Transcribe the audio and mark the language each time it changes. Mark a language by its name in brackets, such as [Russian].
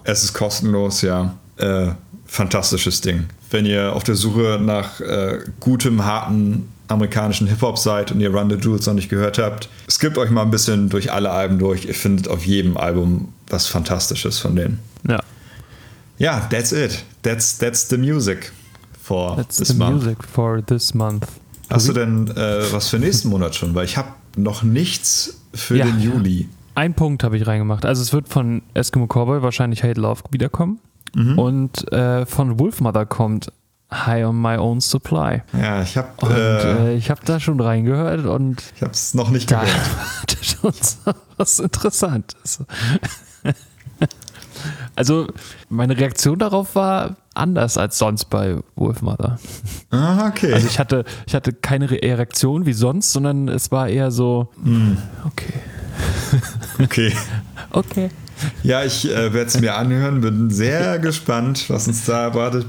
[German] Es ist kostenlos, ja. Fantastisches Ding. Wenn ihr auf der Suche nach gutem, harten amerikanischen Hip-Hop seid und ihr Run the Jewels noch nicht gehört habt, skippt euch mal ein bisschen durch alle Alben durch. Ihr findet auf jedem Album was Fantastisches von denen. Ja. [English] Ja, that's it. That's the music for that's this the month. Music for this month. [German] Hast du denn was für nächsten Monat schon? Weil ich habe noch nichts für den Juli. Ein Punkt habe ich reingemacht. Also es wird von Eskimo Cowboy wahrscheinlich Hate Love wiederkommen. Mhm. Und von Wolfmother kommt High on My Own Supply. Ja, ich habe Hab da schon reingehört und ich habe es noch nicht gehört. Da schon so was Interessantes. Also meine Reaktion darauf war anders als sonst bei Wolfmother. Ah, okay. Also ich hatte keine Reaktion wie sonst, sondern es war eher so okay. Okay. Okay. Ja, ich werde es mir anhören, bin sehr gespannt, was uns da erwartet.